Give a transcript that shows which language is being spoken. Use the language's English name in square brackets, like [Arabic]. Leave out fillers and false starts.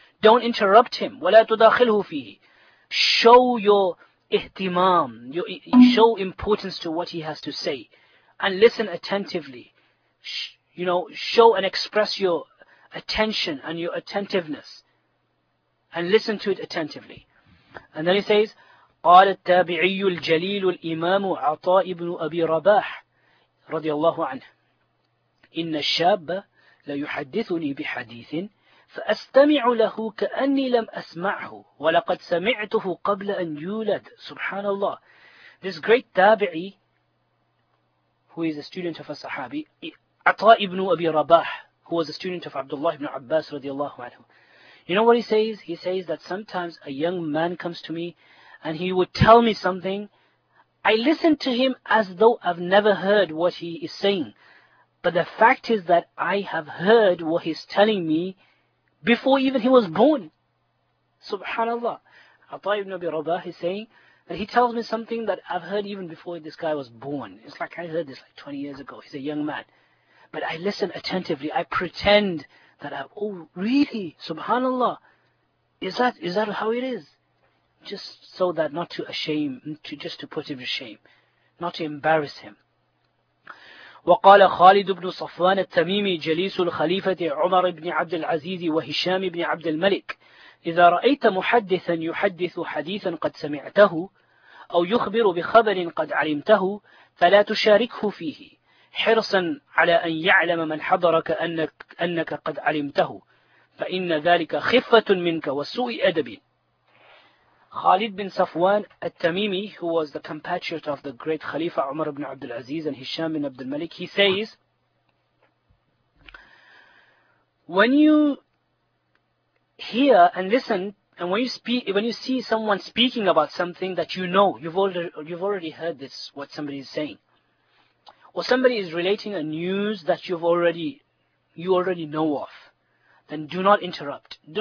[English] Don't interrupt him. [Arabic] وَلَا تُدَخِلْهُ فِيهِ. [English] Show your ihtimam, show importance to what he has to say. And listen attentively. Show and express your attention and your attentiveness. And listen to it attentively. And then he says, [Arabic] قال التابعي الجليل الإمام عطاء بن أبي رباح رضي الله عنه إن الشاب ليحدثني بحديث فأستمع له كأني لم أسمعه ولقد سمعته قبل أن يولد. سبحان الله. [English] This great tabi'i, who is a student of a sahabi, عطاء بن أبي رباح, who was a student of Abdullah ibn Abbas [Arabic] رضي الله عنه. [English] You know what he says? He says that sometimes a young man comes to me and he would tell me something. I listen to him as though I've never heard what he is saying. But the fact is that I have heard what he's telling me before even he was born. Subhanallah. Atay ibn Abi Rabah is saying that he tells me something that I've heard even before this guy was born. It's like I heard this like 20 years ago. He's a young man. but I listen attentively. I pretend that I, oh, really? Subhanallah. Is that how it is? Just so that not to ashame, just to put him to shame, not to embarrass him. [Arabic] وقال خالد بن صفوان التميمي جليس الخليفة عمر بن عبد العزيز وهشام بن عبد الملك إذا رأيت محدثا يحدث حديثا قد سمعته أو يخبر بخبر قد علمته فلا تشاركه فيه حرصا على أن يعلم من حضرك أنك قد علمته فإن ذلك خفة منك وسوء أدب. [English] Khalid bin Safwan al-Tamimi, who was the compatriot of the great Khalifa Umar ibn Abdul Aziz and Hisham ibn Abdul Malik, he says, when you hear and listen, and when you see someone speaking about something that you know, you've already heard this, what somebody is saying, or somebody is relating a news that you already know of, then do not interrupt.